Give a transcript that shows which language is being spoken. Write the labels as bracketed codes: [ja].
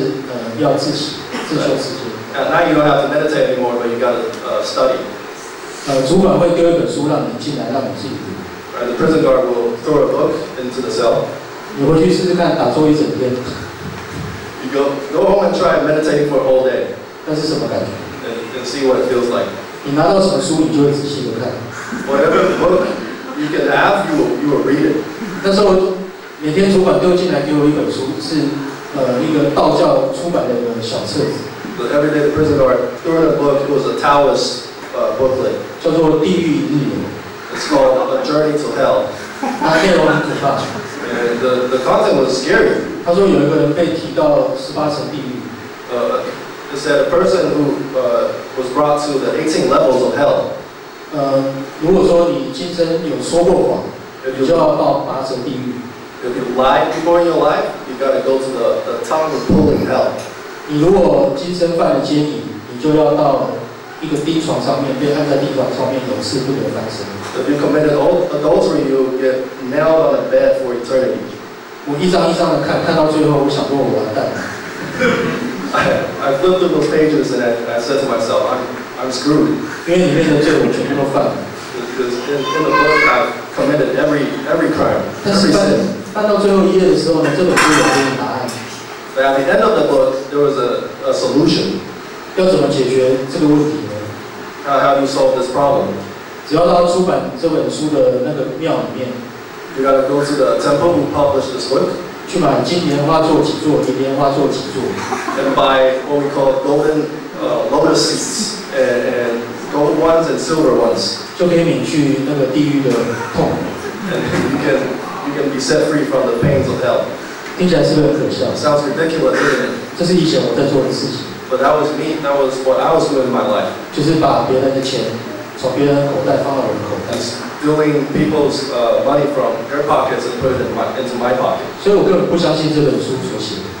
[zh] 然后晚上的时候不用打坐了，但是要自修。 [en] And now you don't have to meditate anymore, but you gotta study. [zh] 主管会丢一本书让你进来，让你自己读。 [en] And the prison guard will throw a book into the cell. [zh] 你回去试试看，打坐一整天。 [en] You go home and try meditating for a whole day. [zh] 那是什么感觉？ [en] And see what it feels like. [zh] 你拿到什么书，你就会仔细的看。 [en] Whatever book you can have, you will read it. [zh] 那时候每天主管丢进来给我一本书，是一个道教出版的小册子。 [en] So every day the prison guard threw in a book, it was a Taoist booklet. [zh] 叫做地狱日游。 [en] It's called A Journey to Hell. [zh] 那内容很可怕。 [en] And the content was scary. [zh] 他说有一个人被提到十八层地狱。 [en] It said a person who was brought to the 18 levels of hell. [zh] 如果说你今生有说过谎， 你就要到八层地狱。 [en] If you lie before in your life, you gotta go to the tongue of pulling hell. [zh] 你如果今生犯了奸淫，你就要到一个钉床上面，被按在地上上面，永世不得翻身。 [en] If you committed adultery, you get nailed on a bed for eternity. [zh] 我一张一张的看，看到最后，我想过我完蛋了。 [en] I flipped through those pages and I said to myself, I'm screwed. [zh] 因为里面的罪我全部都犯了。 [en] Because in the book I committed every crime. [zh] 但是翻到最后一页的时候呢，这本书有给你答案。 [en] But at the end of the book, there was a solution. [zh] 要怎么解决这个问题呢？ [en] How do you solve this problem? [zh] 只要到出版这本书的那个庙里面。 [en] You gotta go to the temple who published this book. [zh] 去买金莲花座几座，银莲花座几座。 [en] And buy what we call golden lotus seats, and gold ones and silver ones. [zh] 就可以免去那个地狱的痛。 [en] And you can be set free from the pains of hell. [zh] 听起来是不是很可笑？ [en] Sounds ridiculous, isn't it? [zh] 这是以前我在做的事情。 [en] But that was me, that was what I was doing in my life. [zh] 就是把别人的钱从别人口袋放到我的口袋。 [en] Stealing people's money from their pockets and put it into my pocket. [zh] 所以我根本不相信这本书所写的。